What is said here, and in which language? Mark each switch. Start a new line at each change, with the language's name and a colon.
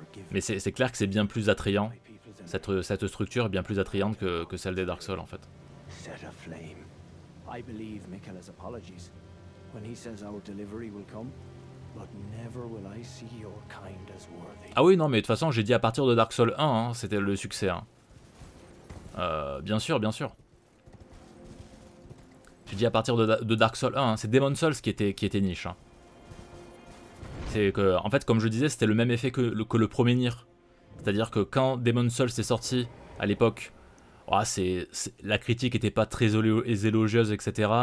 French: Mais c'est clair que c'est bien plus attrayant. Cette structure est bien plus attrayante que celle des Dark Souls, en fait.
English: Set aflame. I believe Mikela's apologies. When he says our delivery will come, but never will I see your kind as worthy.
French: Ah oui, non, mais de toute façon, j'ai dit à partir de Dark Souls 1, hein, c'était le succès. Hein. Bien sûr, bien sûr. J'ai dit à partir de Dark Souls 1, hein, c'est Demon's Souls qui était niche. Hein. C'est que, en fait, comme je disais, c'était le même effet que le premier Nier. C'est-à-dire que quand Demon's Souls est sorti à l'époque, la critique n'était pas très élogieuse, etc.